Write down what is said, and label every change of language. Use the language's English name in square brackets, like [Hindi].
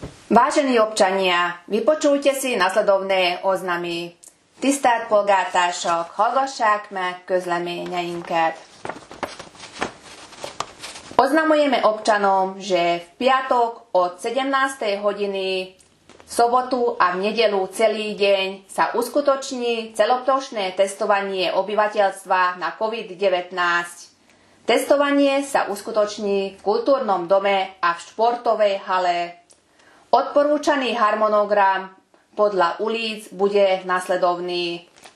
[Slovak] Vážení občania, vypočujte si nasledovné oznamy. [Hungarian] Tisztelt polgártársak, hallgassák meg közleményeinket. [Slovak] Oznamujeme občanom, že v piatok od 17. hodiny v sobotu a v nedelu celý deň sa uskutoční celoplošné testovanie obyvateľstva na COVID-19. Testovanie sa uskutoční v kultúrnom dome a v športovej hale. Odporúčaný harmonogram podľa ulíc bude nasledovný.